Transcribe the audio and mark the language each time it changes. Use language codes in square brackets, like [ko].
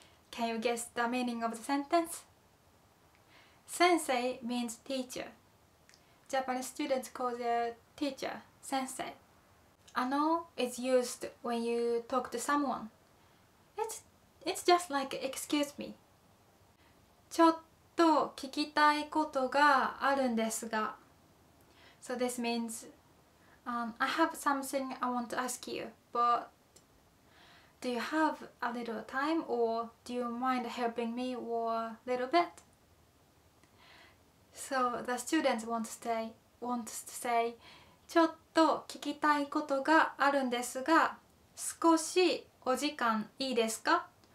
[en] Can you guess the meaning of the sentence? 先生 means teacher. Japanese students call their teacher 先生。あの is used when you talk to someone. It's just like excuse me. [ja] ちょっと聞きたいことがあるんですが。 [en] So this means, I have something I want to ask you, but do you have a little time or do you mind helping me or a little bit? So the students want to say, [ja] ちょっと聞きたいことがあるんですが、少しお時間いいですか？